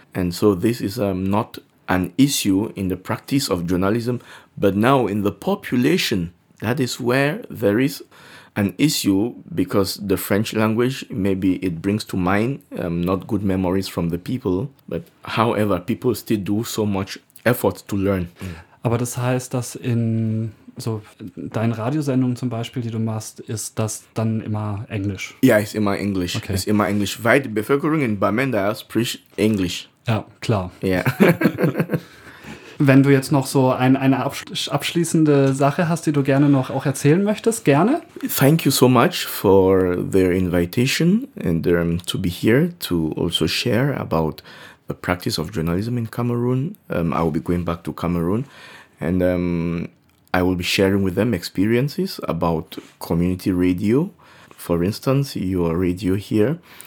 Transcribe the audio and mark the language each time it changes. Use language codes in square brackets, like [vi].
[en] And so this is not an issue in the practice of journalism. But now in the population, that is where there is an issue, because the French language, maybe it brings to mind not good memories from the people, but however, people still do so much effort to learn. [de] Aber das heißt, dass in so deinen Radiosendungen zum Beispiel, die du machst, ist das dann immer Englisch? Ja, ist immer Englisch. Okay. Ist immer Englisch, weil die Bevölkerung in Bamenda spricht Englisch. Ja, klar. Ja. Wenn du jetzt noch so eine abschließende Sache hast, die du gerne noch auch erzählen möchtest, gerne. [en] Thank you so much for the invitation and to be here to also share about the practice of journalism in Cameroon. I will be going back to Cameroon, and I will be sharing with them experiences about community radio, for instance, your radio here.